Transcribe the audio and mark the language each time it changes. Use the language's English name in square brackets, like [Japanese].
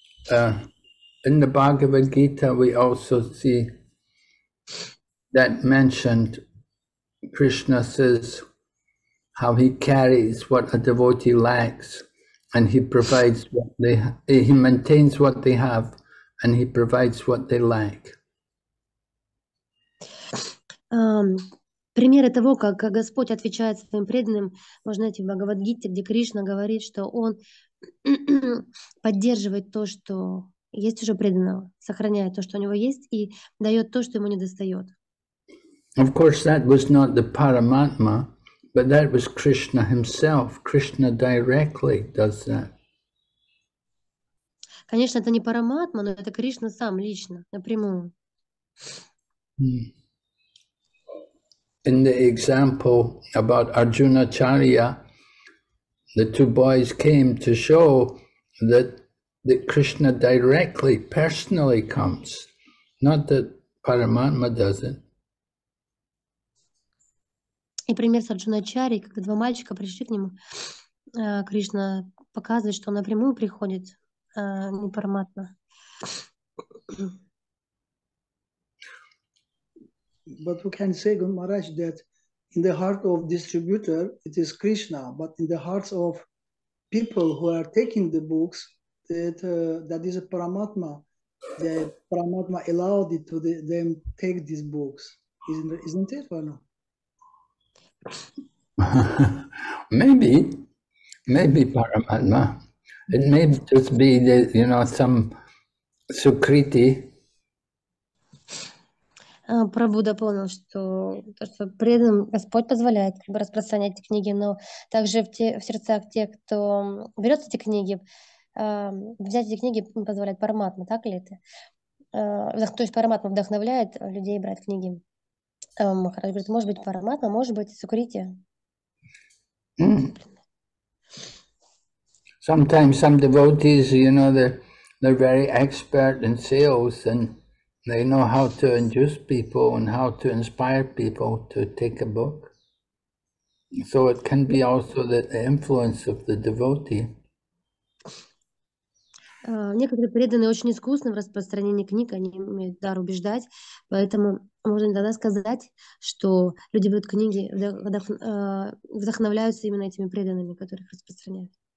[English] In the Bhagavad Gita, we also see that mentioned. Krishna says how he carries what a devotee lacks, and he provides what they he maintains what they have, and he provides what they lack. [Russian] Примеры того, как Господь отвечает своим преданным, можно найти в Бхагавадгите, где Кришна говорит, что Он поддерживает то, что есть уже преданного, сохраняет то, что у него есть, и дает то, что ему не достает. [English] Of course, that was not the Paramatma, but that was Krishna himself. Krishna directly does that. [Russian] Конечно, это не Параматма, но это Кришна сам лично, напрямую. [English] In the example about Arjuna Charya, the two boys came to show that Krishna directly, personally comes, not that Paramatma does it. [Russian] И пример с Арджуна Чарьи, когда два мальчика пришли к нему, Кришна показывает, что он напрямую приходит, не Параматма. [English] But we can say, Maharaj, that in the heart of distributor, it is Krishna. But in the hearts of people who are taking the books, that that is a Paramatma. The Paramatma allowed it to them take these books. Isn't it or no? maybe Paramatma. It may just be the, you know, some Sukriti. [Russian] Прабху дополнил, что то, что преданным Господь позволяет как бы распространять эти книги, но также в сердцах тех, кто берет эти книги, взять эти книги позволяет Параматма, так ли это? То есть Параматма вдохновляет людей брать книги. Махарадж говорит, может быть Параматма, может быть Сукрити. [English] Sometimes some devotees, you know, they're very expert in sales and they know how to induce people and how to inspire people to take a book. So it can be also the influence of the devotee. [Russian] Некоторые преданные очень искусны в распространении книг, они имеют дар убеждать, поэтому можно тогда сказать, что люди берут книги, вдохновляются именно этими преданными, которых распространяют.